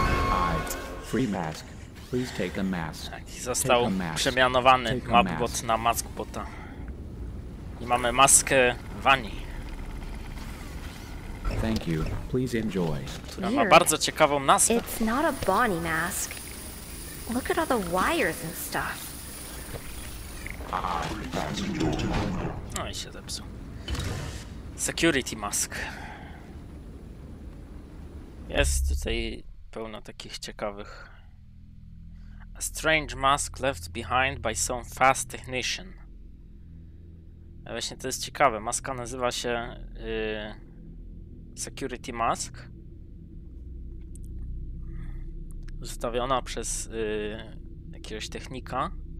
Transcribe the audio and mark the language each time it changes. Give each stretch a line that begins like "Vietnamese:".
English: I, free mask. Please take a mask.
Polish: Został przemianowany MapBot na MaskBota. I mamy maskę Vani.
English: Thank you. Please enjoy.
Polish: Która ma bardzo ciekawą nazwę.
English: It's not a Bonnie mask. Look at all the wires and stuff.
Polish: No i się zepsuł. Security mask. Jest tutaj pełno takich ciekawych.
English: A strange mask left behind by some fast technician.
Polish: A właśnie to jest ciekawe. Maska nazywa się security mask. zostawiona przez jakiegoś technika.